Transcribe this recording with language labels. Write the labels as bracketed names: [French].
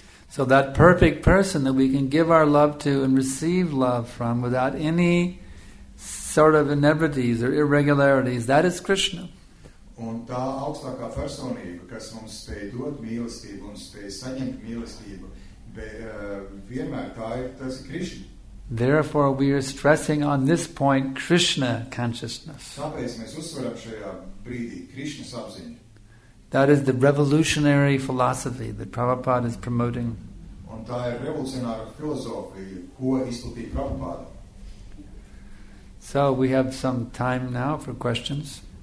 [English] So that perfect person that we can give our love to and receive love from without any sort of inebrieties or irregularities, that is Krishna. [Latvian] Un tā augstākā personība, kas mums spēj dot mīlestību un spēj saņemt mīlestību, vienmēr tā ir, tas ir Krishna. [English] Therefore, we are stressing on this point Krishna consciousness. [Latvian] Tāpēc mēs uzsveram šajā brīdī Krishna apziņu. [English] That is the revolutionary philosophy that Prabhupada is promoting. [Latvian] Un tā ir revolucionāra filozofija, ko izplatīja Prabhupāda. [English] So we have some time now for questions.